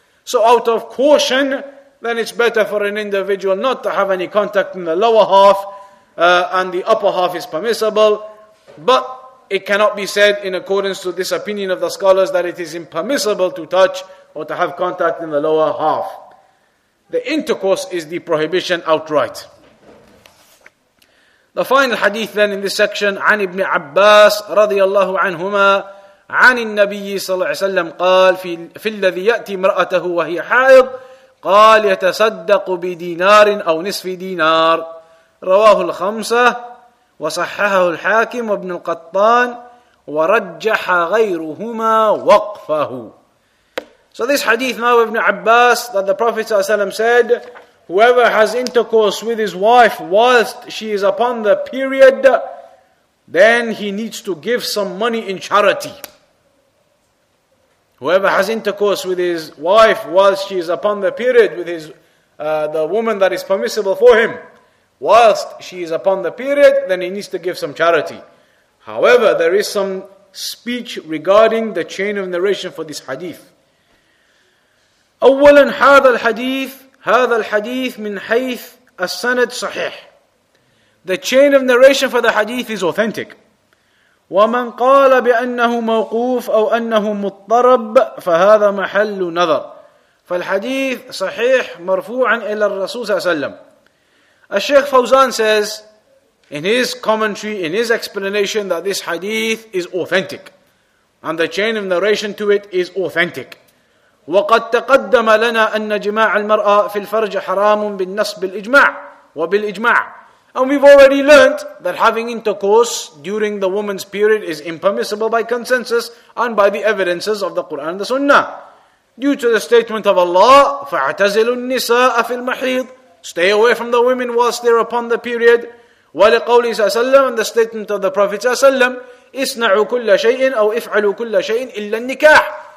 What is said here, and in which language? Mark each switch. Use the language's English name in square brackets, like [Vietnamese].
[English] So out of caution, then it's better for an individual not to have any contact in the lower half, and the upper half is permissible. But it cannot be said in accordance to this opinion of the scholars that it is impermissible to touch or to have contact in the lower half. The intercourse is the prohibition outright. The final hadith then in this section, [Arabic] عن ابن عباس رضي الله عنهما عن النبي صلى الله عليه وسلم قال في الذي يأتي امرأته وهي حائض قال يتصدق بدينار أو نصف دينار رواه الخمسة وصححه الحاكم وابن القطان ورجح غيرهما وقفه. [English] So this hadith now of Ibn Abbas that the Prophet ﷺ said, whoever has intercourse with his wife whilst she is upon the period, then he needs to give some money in charity. Whoever has intercourse with his wife whilst she is upon the period, with his the woman that is permissible for him, whilst she is upon the period, then he needs to give some charity. However, there is some speech regarding the chain of narration for this hadith. [Arabic] أولا هذا الحديث من حيث السند صحيح. [English] The chain of narration for the hadith is authentic. [Arabic] ومن قال بأنه موقوف أو أنه مضطرب فهذا محل نظر. فالحديث صحيح مرفوعا إلى الرسول صلى الله عليه وسلم. [English] الشيخ فوزان says in his commentary, in his explanation that this hadith is authentic. And the chain of narration to it is authentic. [Arabic] وقد تقدم لنا أن جماع المرأة في الفرج حرام بالنصب بالإجماع وبالإجماع. [English] And we've already learned that having intercourse during the woman's period is impermissible by consensus and by the evidences of the Quran and the Sunnah. Due to the statement of Allah, [Arabic] فاعتزلوا النساء في المحيض. [English] Stay away from the women whilst they're upon the period. [Arabic] ولقوله صلى الله عليه وسلم [English] and the statement of the Prophet [Arabic] صلى الله عليه وسلم, اصنعوا كل شيء أو افعلوا كل شيء إلا النكاح.